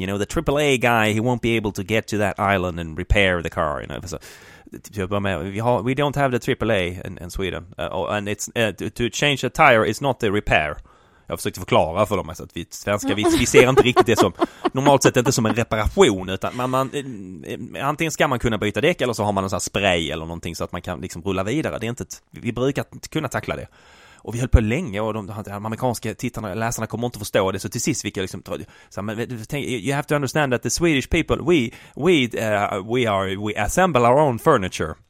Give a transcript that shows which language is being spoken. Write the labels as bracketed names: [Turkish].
[English] You know, the AAA guy, he won't be able to get to that island and repair the car. You know, så... We don't have the AAA in Sweden. And it's, to change a tire is not a repair. [Swedish] Jag försökte förklara för dem att vi svenskar, vi ser inte riktigt det som normalt sett inte som en reparation, utan man antingen ska man kunna byta däck eller så har man en sån här spray eller någonting så att man kan liksom rulla vidare. Det är inte vi brukar inte kunna tackla det. Och vi höll på länge och de amerikanska tittarna och läsarna kommer inte förstå det. Så till sist fick jag liksom... [English] You have to understand that the Swedish people, we assemble our own furniture.